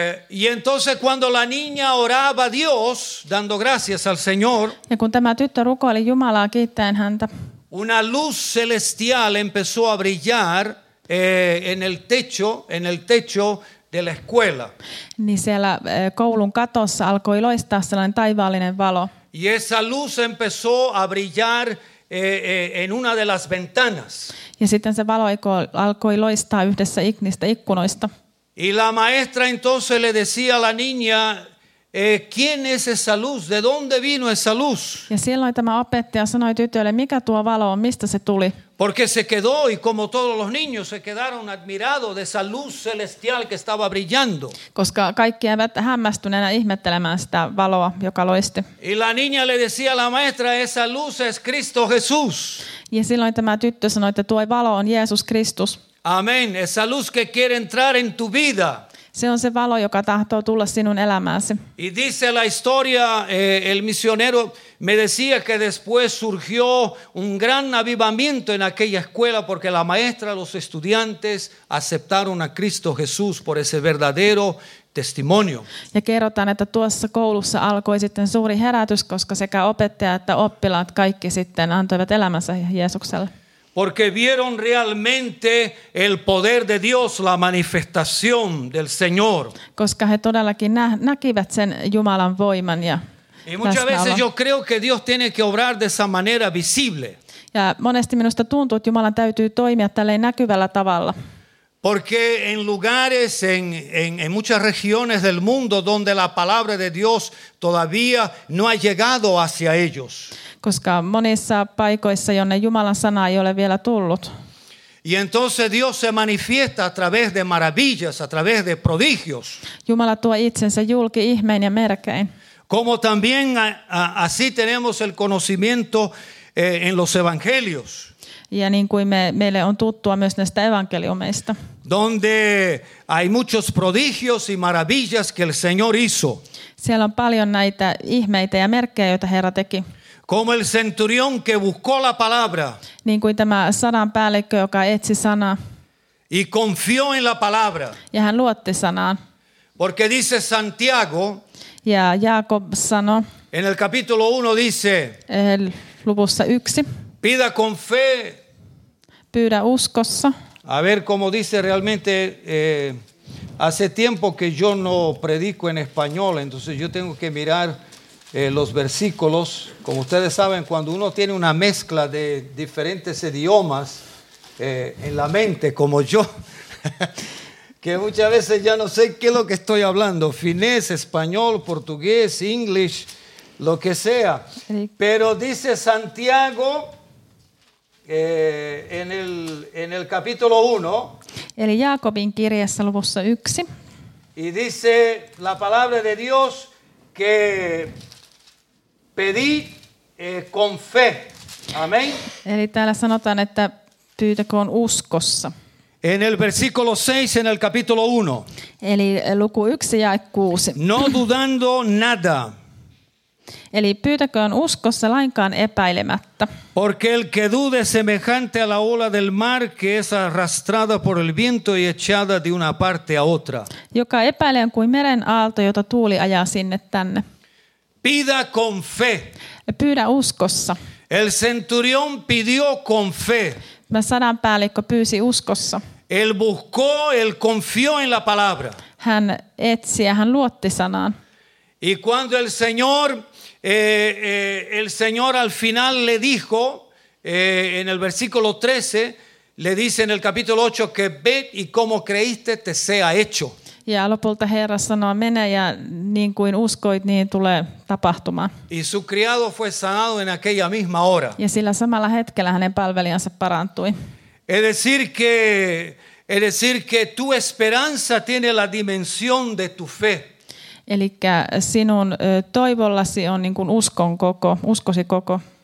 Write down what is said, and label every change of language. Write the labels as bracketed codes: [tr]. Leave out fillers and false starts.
[es] Y entonces cuando la niña oraba a Dios, dando gracias al Señor, [fi] ja kun tämä tyttö rukoili Jumalaa kiittäen häntä, [es] una luz celestial empezó a brillar en el techo de la escuela. [fi] Niin siellä koulun katossa alkoi loistaa sellainen taivaallinen valo. [es] Y esa luz empezó a brillar en una de las ventanas. [fi] Ja sitten se valo alkoi loistaa yhdessä niistä ikkunoista. [es] Y la maestra entonces le decía a la niña, ¿quién es esa luz? ¿De dónde vino esa luz? [fi] Ja silloin tämä opettaja sanoi tytölle, mikä tuo valo on, mistä se tuli? [es] Porque se quedó y como todos los niños se quedaron admirados de esa luz celestial que estaba brillando. [fi] Koska kaikki eivät hämmästyneenä ihmettelemään sitä valoa, joka loisti. [es] Y la niña le decía a la maestra, esa luz es Cristo Jesús. [fi] Ja silloin tämä tyttö sanoi, että tuo valo on Jeesus Kristus. [es] Amén, esa luz que quiere entrar en tu vida. [fi] Se on se valo, joka tahtoo tulla sinun elämääsi. [es] Y dice la historia, el misionero me decía que después surgió un gran avivamiento en aquella escuela porque la maestra, los estudiantes aceptaron a Cristo Jesús por ese verdadero testimonio. [fi] Ja kerrotaan, että tuossa koulussa alkoi sitten suuri herätys, koska sekä opettaja että oppilaat kaikki sitten antoivat elämänsä Jeesukselle. [es] Porque vieron realmente el poder de Dios, la manifestación del Señor. [fi] Koska he todellakin näkivät sen Jumalan voiman ja [es] y muchas veces yo creo que Dios tiene que obrar de esa manera visible. [fi] Ja monesti minusta tuntuu, että Jumalan täytyy toimia tälleen näkyvällä tavalla. [es] Porque en lugares, en muchas regiones del mundo donde la palabra de Dios todavía no ha llegado hacia ellos. [fi] Koska monissa paikoissa, jonne Jumalan sana ei ole vielä tullut. [es] Y entonces Dios se manifiesta a través de maravillas, a través de prodigios. [fi] Jumala tuo itsensä julki ihmeen ja merkein. [es] Como también así tenemos el conocimiento en los evangelios. [fi] Ja niin kuin meille on tuttua myös näistä evankeliumeista. [es] Donde hay muchos prodigios y maravillas que el Señor hizo. [fi] Siellä on paljon näitä ihmeitä ja merkkejä, joita Herra teki. [es] Como el centurión que buscó la palabra. [fi] Niin kuin tämä sadan päällikkö, joka etsi sanaa. [es] Y confió en la palabra. [fi] Ja hän luotti sanaan. [es] Porque dice Santiago. [fi] Ja Jaakob sanoi. [es] En el capítulo 1 dice. [fi] Luvussa 1. [es] Pida con fe. [fi] Pyydä uskossa. [es] A ver como dice realmente. Hace tiempo que yo no predico en español. Entonces yo tengo que mirar. Los versículos, como ustedes saben, cuando uno tiene una mezcla de diferentes idiomas en la mente, como yo, que muchas veces ya no sé qué es lo que estoy hablando, finés, español, portugués, English, lo que sea. Pero dice Santiago en el capítulo 1. [fi] Eli Jaakobin kirjassa luvussa 1. [es] Y dice la palabra de Dios que pedí con fe. Amén. [fi] Eli täällä sanotaan, että pyytäkoon uskossa. [es] En el versículo 6 en el capítulo 1. [fi] Eli luku 1 ja 6. [es] No dudando nada. [fi] Eli pyytäkoon uskossa lainkaan epäilemättä. [es] Porque el que dude semejante a la ola del mar que es arrastrada por el viento y echada de una parte a otra. [fi] Joka epäilee kuin meren aalto, jota tuuli ajaa sinne tänne. [es] Pida con fe. [fi] Pyydä uskossa. [es] El centurión pidió con fe. [fi] Mä sadan päällikkö pyysi uskossa. [es] El buscó, el confió en la palabra. [fi] Hän etsi ja hän luotti sanaan. [es] Y cuando el Señor al final le dijo, en el versículo 13, le dice en el capítulo 8 que ve y como creíste te sea hecho. [fi] Ja lopulta Herra sanoo, mene ja niin kuin uskoit, niin tulee tapahtumaan. [es] Y su criado fue sanado en aquella misma hora. [fi] Ja sillä samalla hetkellä hänen palvelijansa parantui. [es] Es decir que Es decir que tu esperanza tiene la dimensión de tu fe. [fi] Elikkä sinun toivollasi on niin kuin uskon koko, uskosi koko.